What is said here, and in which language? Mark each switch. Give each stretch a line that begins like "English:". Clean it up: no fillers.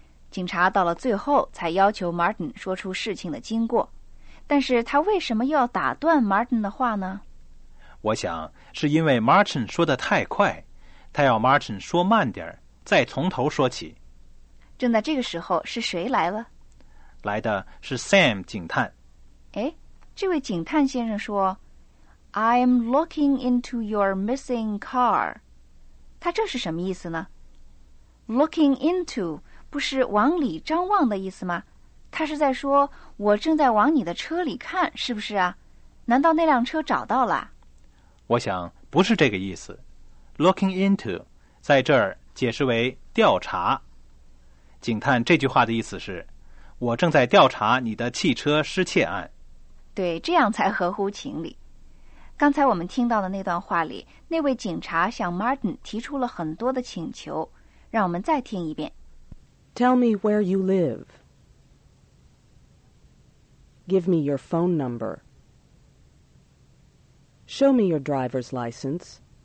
Chinese: 警察到了最后才要求 Martin 说出事情的经过，但是他为什么又要打断 Martin 的话呢？我想是因为 Martin 说得太快，他要 Martin 说慢点，再从头说起。正在这个时候，是谁来了？来的是 Sam 警探。哎，这位警探先生说
English: I'm looking into your missing car。
Chinese: 他这是什么意思呢？ Looking into 不是往里张望的意思吗？他是在说我正在往你的车里看，是不是啊？难道那辆车找到了？我想不是这个意思。 Looking into 在这儿解释为调查。警探这句话的意思是，我正在调查你的汽车失窃案。对，这样才合乎情理。刚才我们听到的那段话里，那位警察向 Martin 提出了很多的请求，让我们再听一遍。
English: Tell me where you live. Give me your phone number. Show me your driver's license.